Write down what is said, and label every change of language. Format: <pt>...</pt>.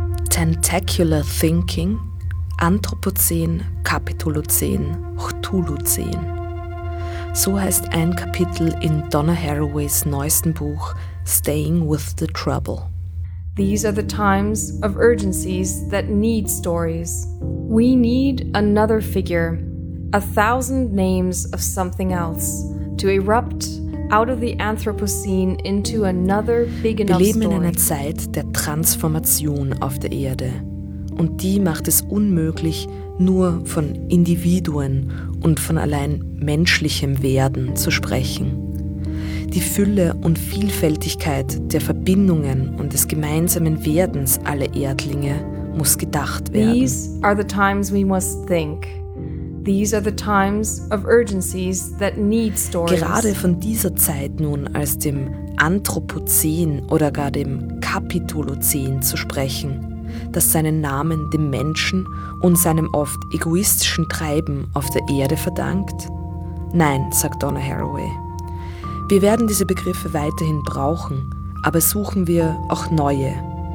<de>Tentacular Thinking, Anthropozän, Kapitolozän, Cthulhuzän. So heißt ein Kapitel in Donna Haraways neuestem Buch Staying with the Trouble.</de> <en>These are the times of urgencies that need stories. We need another figure. A thousand names of something else to erupt out of the Anthropocene into another big enough story.</en> <de>Wir leben in einer Zeit der Transformation auf der Erde, und die macht es unmöglich, nur von Individuen und von allein menschlichem Werden zu sprechen. Die Fülle und Vielfältigkeit der Verbindungen und des gemeinsamen Werdens aller Erdlinge muss gedacht werden.</de> <en>These are the times we must think. These are the times of urgencies that need stories.</en> <de>Gerade von dieser Zeit nun als dem Anthropozän oder gar dem Kapitolozän zu sprechen, das seinen Namen dem Menschen und seinem oft egoistischen Treiben auf der Erde verdankt? Nein, sagt Donna Haraway. Wir werden diese Begriffe weiterhin brauchen, aber suchen wir auch neue.</de>